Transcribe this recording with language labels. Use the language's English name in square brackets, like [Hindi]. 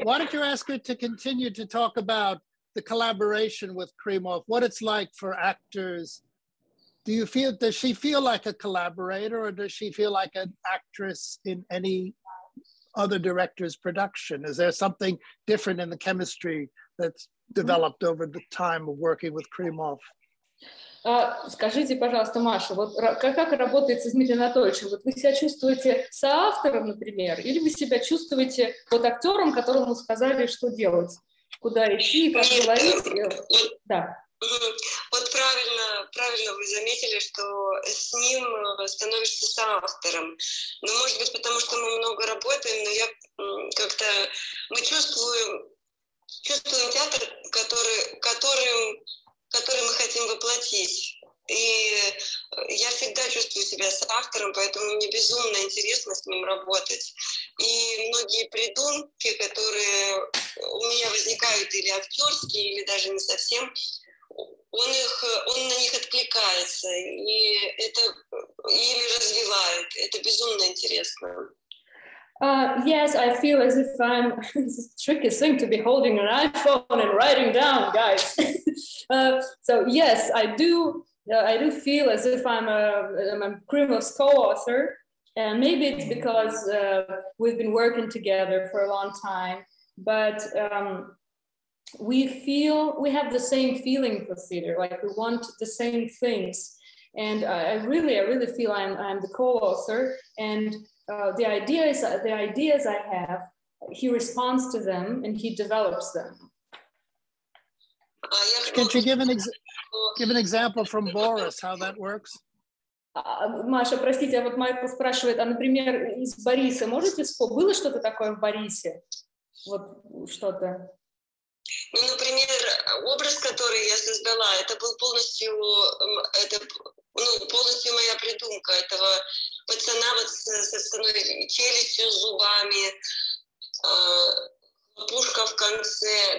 [English] Why don't you ask her to continue to talk about the collaboration with Krymov, what it's like for actors. Does she feel like a collaborator, or does she feel like an actress in any other director's production? Is there something different in the chemistry that's developed over the time of working with Krymov? [Russian] Скажите, пожалуйста, Маша, вот как работает с Дмитрием Анатольевичем? Вот вы себя чувствуете соавтором, например, или вы себя чувствуете вот актером, которому сказали, что делать, куда идти, как говорить? Да. Вот правильно вы заметили, что с ним становишься соавтором. Ну, может быть, потому что мы много работаем, но я как-то... Мы чувствуем театр, который мы хотим воплотить. И я всегда чувствую себя соавтором, поэтому мне безумно интересно с ним работать. И многие придумки, которые у меня возникают, или актерские, или даже не совсем, он на них откликается, и это или развивает. Это безумно интересно. [English] Yes, I feel as if I'm, it's the trickiest thing to be holding an iPhone and writing down, guys. So yes, I do feel as if I'm a Krymov's co-author. And maybe it's because we've been working together for a long time, but we feel we have the same feeling for theater, like we want the same things. And I really feel I'm the co-author, and the ideas I have, he responds to them and he develops them. Could you give an example from Boris how that works? [Russian] Маша, простите, а вот Майкл спрашивает, а, например, из Бориса можете вспомнить, было что-то такое в Борисе? Вот что-то. Ну, например, образ, который я создала, это был полностью, это, ну, полностью моя придумка этого пацана вот со стальной челюстью, с зубами, пушка в конце.